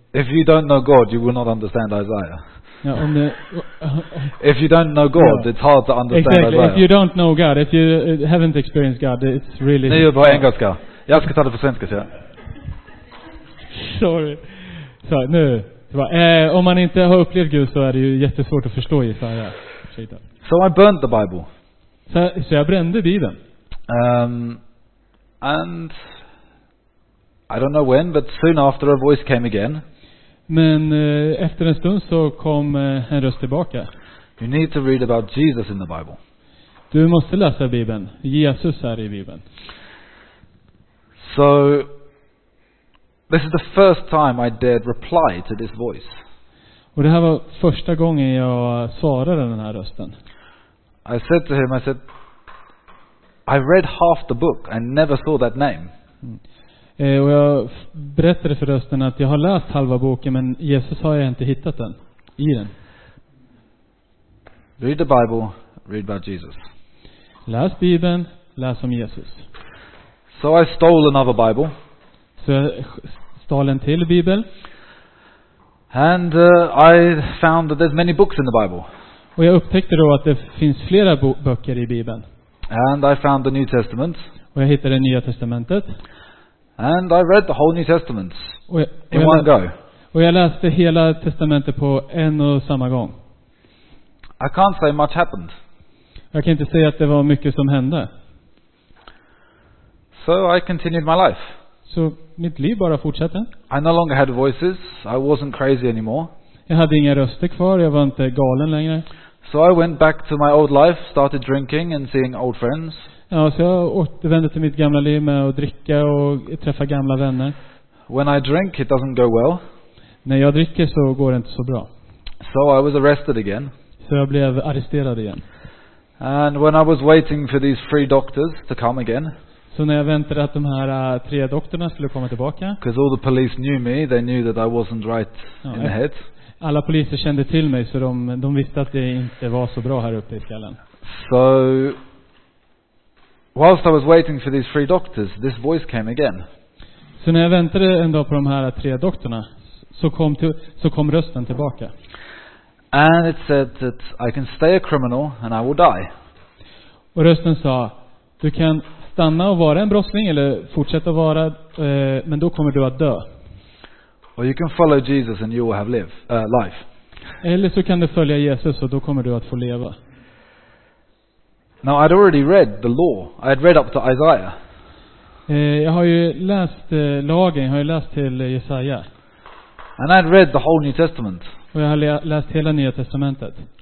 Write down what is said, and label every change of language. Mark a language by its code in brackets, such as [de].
[en] If you don't know God, you will not understand Isaiah. [sv] Ja, [en] if you don't know God, yeah, it's hard to understand exactly Isaiah. If you don't know God, if you haven't experienced God, it's really [sv] Nej, på engelska. Jag ska ta det på svenska, ja. Sorry. Nu. Om man inte har upplevt Gud, så är det ju jättesvårt att förstå Jesaja. [en] So I burned the Bible. [sv] Så jag brände bibeln. [en] And I don't know when, but soon after a voice came again. [sv] Men efter en stund så kom en röst tillbaka. [en] You need to read about Jesus in the Bible. [sv] Du måste läsa bibeln. Jesus är i bibeln. [en] So this is the first time I dared reply to this voice. [sv] Och det här var första gången jag svarade den här rösten. [en] I said to him, I said, I read half the book and never saw that name. [sv] Och jag berättade för rösten att jag har läst halva boken, men Jesus har jag inte hittat den i den. [en] Read the Bible, read about Jesus. [sv] Läs bibeln, läs om Jesus. [en] So I stole another Bible. [sv] Så jag stal en till bibel. [en] And I found that there's many books in the Bible. [sv] Och jag upptäckte då att det finns flera böcker i bibeln. [en] And I found the New Testament. [sv] Och jag hittade det Nya testamentet. [en] And I read the whole New Testament in one go. [sv] Och jag läste hela testamentet på en och samma gång. [en] I can't say much happened. [sv] Jag kan inte säga att det var mycket som hände. [en] So I continued my life. [sv] Så mitt liv bara fortsatte. [en] I no longer had voices. I wasn't crazy anymore. [sv] Jag hade inga röster kvar. Jag var inte galen längre. [en] So I went back to my old life, started drinking and seeing old friends. [sv] Ja, så jag återvände till mitt gamla liv med att dricka och träffa gamla vänner. [en] When I drink, it doesn't go well. [sv] När jag dricker så går det inte så bra. [en] So I was arrested again. [sv] Så jag blev arresterad igen. [en] And when I was waiting for these three doctors to come again. [sv] Så när jag väntade att de här tre doktorerna skulle komma tillbaka. [en] Because all the police knew me, they knew that I wasn't right in the head. [sv] Alla poliser kände till mig, så de visste att det inte var så bra här uppe i skallen. [en] So whilst I was waiting for these three doctors, this voice came again. [sv] Så när jag väntade en dag på de här tre doktorna, så kom rösten tillbaka. [en] And it said that I can stay a criminal and I will die. [sv] Och rösten sa, du kan stanna och vara en brottsling eller fortsätta vara, men då kommer du att dö. [en] Or you can follow Jesus and you will have life. [sv] Eller så kan du följa Jesus och då kommer du att få leva. [en] Now I'd already read the law. I had read up to Isaiah. [sv] Jag har ju läst lagen. Jag har ju läst till Jesaja. [en] And I'd read the whole New Testament. [sv] Och jag har läst hela Nya testamentet.